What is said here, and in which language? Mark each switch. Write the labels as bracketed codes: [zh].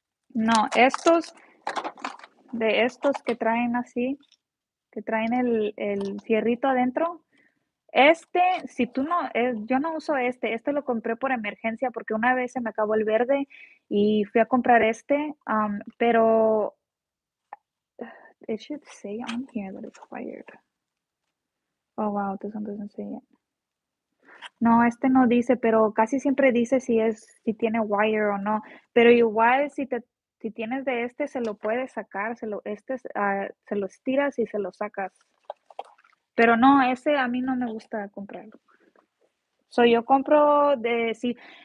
[es] No, estos, de estos que traen así, que traen el fierrito adentro. Este, si tú no, yo no uso este. Este lo compré por emergencia porque una vez se me acabó el verde y fui a comprar este. [en] Pero it should say on here that it's fired. Oh, wow, this one doesn't say it. [es] No, este no dice, pero casi siempre dice si tiene wire o no. Pero igual si tienes de este, se lo puedes sacar, se lo estiras y se lo sacas. Pero no, ese a mí no me gusta comprarlo. So yo compro de sí.